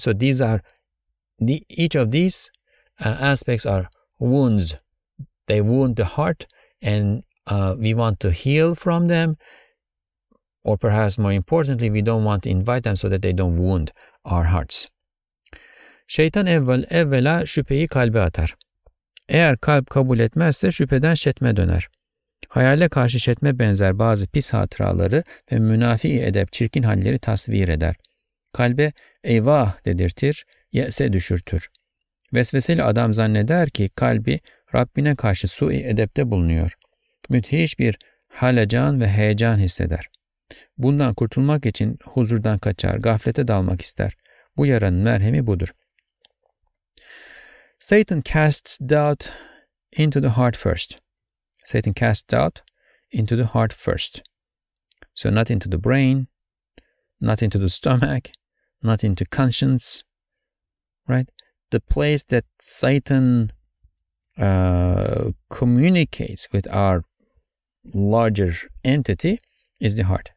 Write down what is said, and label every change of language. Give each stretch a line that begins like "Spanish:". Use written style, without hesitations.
English: So these are, each of these aspects are wounds. They wound the heart, and we want to heal from them. Or perhaps more importantly, we don't want to invite them so that they don't wound our hearts.
Turkish: Şeytan evvela şüpheyi kalbe atar. Eğer kalp kabul etmezse şüpheden şetme döner. Hayale karşı şetme benzer bazı pis hatıraları ve münafi edep çirkin halleri tasvir eder. Kalbe eyvah dedirtir, yese düşürtür. Vesveseli adam zanneder ki kalbi Rabbine karşı su-i edepte bulunuyor. Müthiş bir halecan ve heyecan hisseder. Bundan kurtulmak için huzurdan kaçar, gaflete dalmak ister. Bu yaranın merhemi budur.
English: Satan casts doubt into the heart first. Satan casts doubt into the heart first. So not into the brain, not into the stomach, not into conscience, right? The place that Satan communicates with our larger entity is the heart.